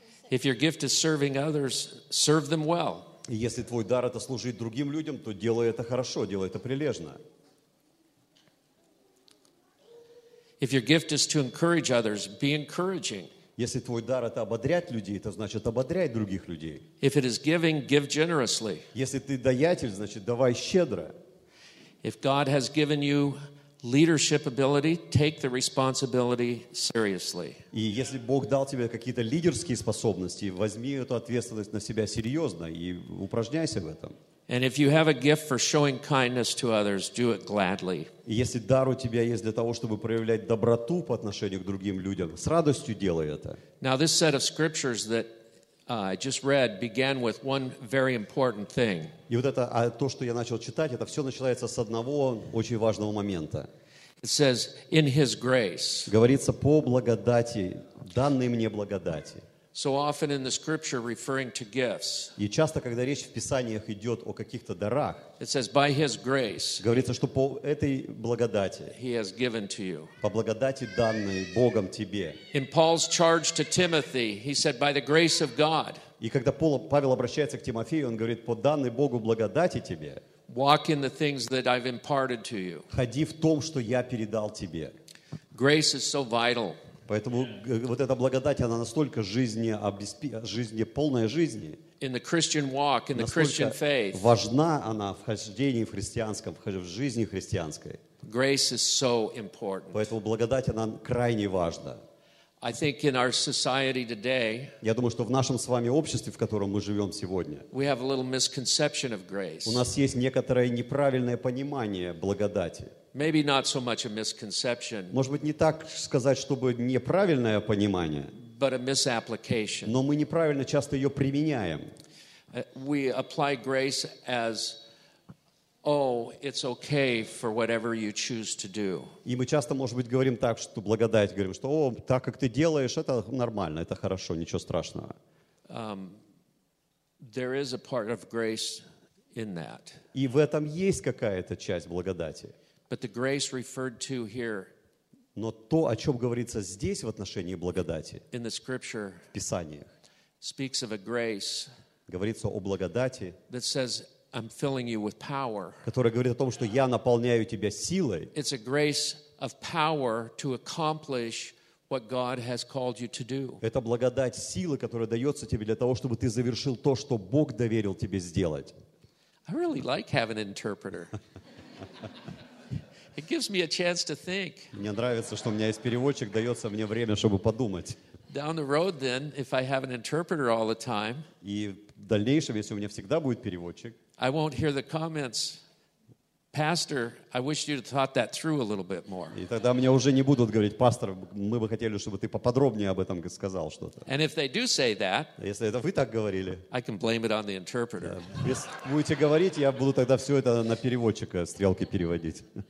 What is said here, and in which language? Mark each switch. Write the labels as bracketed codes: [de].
[en] If your gift is serving others, serve them well. [ru] И если твой дар это служить другим людям, то делай это хорошо, делай это прилежно. [en] If your gift is to encourage others, be encouraging. [ru] Если твой дар это ободрять людей, то значит ободряй других людей. [en] If it is giving, give generously. [ru] Если ты даятель, значит давай щедро. [en] If God has given you leadership ability, take the responsibility seriously. [ru] И если Бог дал тебе какие-то лидерские способности, возьми эту ответственность на себя серьезно и упражняйся в этом. [en] And if you have a gift for showing kindness to others, do it gladly. [ru] И если дар у тебя есть для того, чтобы проявлять доброту по отношению к другим людям, с радостью делай это. [en] Now this set of scriptures that I just read began with one very important thing. [ru] И вот это, а то, что я начал читать, это все начинается с одного очень важного момента. [en] It says, in His grace. [ru] Говорится по благодати, данной мне благодати. [en] So often in the scripture referring to gifts. [ru] И часто, когда речь в писаниях идет о каких-то дарах. [en] It says, by His grace. [ru] Говорится, что по этой благодати. [en] He has given to you. [ru] По благодати, данной Богом тебе. [en] In Paul's charge to Timothy, he said, by the grace of God. [ru] И когда Павел обращается к Тимофею, он говорит, по данной Богу благодати тебе. [en] Walk in the things that I've imparted to you. [ru] Ходи в том, что я передал тебе. [en] Grace is so vital. [ru] Поэтому вот эта благодать, она настолько полная жизни. [en] In the Christian walk, in the Christian faith. [ru] Важна она в хождении в христианском, в жизни христианской. [en] Grace is so important. [ru] Поэтому благодать, она крайне важна. [en] I think in our society today, [ru] я думаю, что в нашем с вами обществе, в котором мы живем сегодня, [en] we have a little misconception of grace. [ru] У нас есть некоторое неправильное понимание благодати. [en] Maybe not so much a misconception. [ru] Может быть, не так сказать, чтобы неправильное понимание. [en] But a misapplication. [ru] Но мы неправильно часто ее применяем. [en] We apply grace as Oh, it's okay for whatever you choose to do. [ru] И мы часто, может быть, говорим так, что благодать, говорим, что, о, так как ты делаешь, это нормально, это хорошо, ничего страшного. [en] There is a part of grace in that. [ru] И в этом есть какая-то часть благодати. [en] But the grace referred to here. [ru] Но то, о чем говорится здесь в отношении благодати. [en] In the scripture. [ru] В Писаниях. [en] Speaks of a grace. [ru] Говорится о благодати. [en] That says. I'm filling you with power. [ru] Которая говорит о том, что я наполняю тебя силой. [en] It's a grace of power to accomplish what God has called you to do. [ru] Это благодать силы, которая дается тебе для того, чтобы ты завершил то, что Бог доверил тебе сделать. [en] I really like having an interpreter. It gives me a chance to think. [ru] Мне нравится, что у меня есть переводчик, дается мне время, чтобы подумать. [en] Down the road, then, if I have an interpreter all the time. [ru] И в дальнейшем, если у меня всегда будет переводчик. [en] I won't hear the comments, Pastor. I wish you'd thought that through a little bit more. [ru] И тогда мне уже не будут говорить, пастор, мы бы хотели, чтобы ты поподробнее об этом сказал что-то. [en] And if they do say that, [ru] если это вы так говорили, [en] I can blame it on the interpreter. [ru] Если будете говорить, я буду тогда все это на переводчика стрелки переводить.